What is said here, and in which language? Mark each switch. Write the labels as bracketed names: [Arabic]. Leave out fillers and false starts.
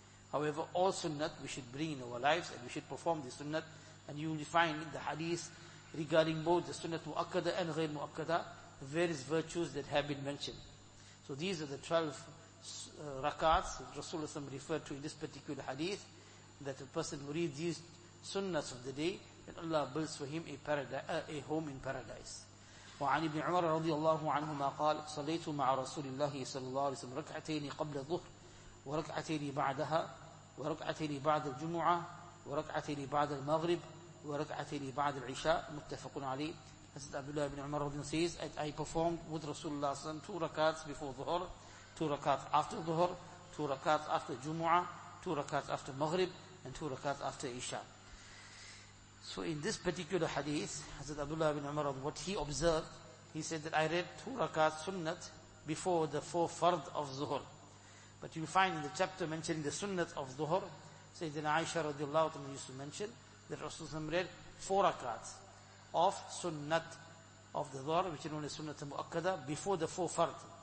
[English] However, all sunnat we should bring in our lives, and we should perform the sunnat, and you will find in the hadith regarding both the sunnat mu'akkada and ghair mu'akkada, various virtues that have been mentioned. So these are the 12 rakats Rasulullah referred to in this particular hadith, that a person who reads these sunnahs of the day, that Allah builds for him a home in paradise. [Arabic] وعن ابن عمر رضي الله عنهما قال صليت مع رسول الله صلى الله عليه وسلم ركعتين قبل الظهر وركعتين بعدها وركعتين بعد الجمعة وركعتين بعد المغرب وركعتين بعد العشاء. متفق عليه. [English] حضرت عبد الله بن عمر [Arabic] رضي الله عنه [English] says I performed with [Arabic] رسول الله صلى الله عليه وسلم [English] 2 rakats before ظهر, 2 rakats after ظهر, 2 rakats after جمعة, 2 rakats after مغرب, and 2 rakats after عشاء. So in this particular hadith, Hazrat Abdullah ibn Umar, what he observed, he said that I read 2 rakats sunnat before the 4 fard of zuhur. But you find in the chapter mentioning the sunnat of zuhur, Sayyidina Aisha radiallahu ta'ala used to mention that Rasulullah read 4 rakats of sunnat of the zuhur, which is known as sunnat al-muakkada, before the 4 fard.